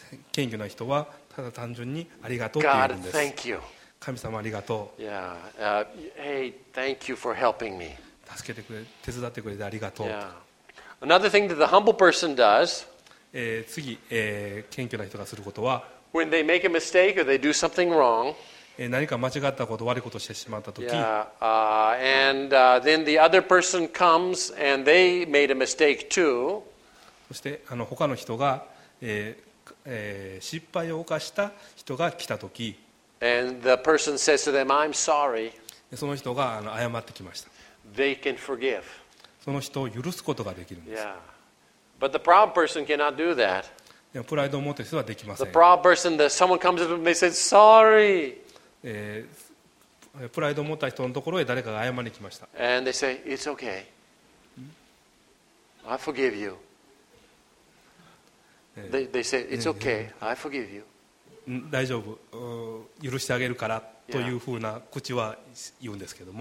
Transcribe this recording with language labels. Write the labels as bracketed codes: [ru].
[ja] 謙虚な人はただ単純にありがとうって言うんです。 [en] God, thank you. [ja] 神様ありがとう。 [en] Yeah, hey, thank you for helping me. [ja] 助けてくれ、手伝ってくれてありがとう。 [en] Yeah. Another thing that the humble person does. [ja] 次、謙虚な人がすることは、 [en] when they make a mistake or they do something wrong. [ja] 何か間違ったこと、悪いことをしてしまったとき、 [en] then the other person comes and they made a mistake too. [ja] そして他の人が、失敗を犯した人が来たとき、 [en] and the person says to them, I'm sorry. [ja] その人が謝ってきました。 [en] They can forgive. [ja] その人を許すことができるんです。 [en] Yeah. But the proud person cannot do that. [ja] でもプライドを持っている人はできません。 [en] The proud person, that someone comes up and they say, sorry. [ja] プライドを持った人のところへ誰かが謝りに来ました。 [en] And they say, it's okay. I forgive you. They say, it's okay. I forgive you. [ja] 大丈夫、許してあげるからというふうな口は言うんですけども、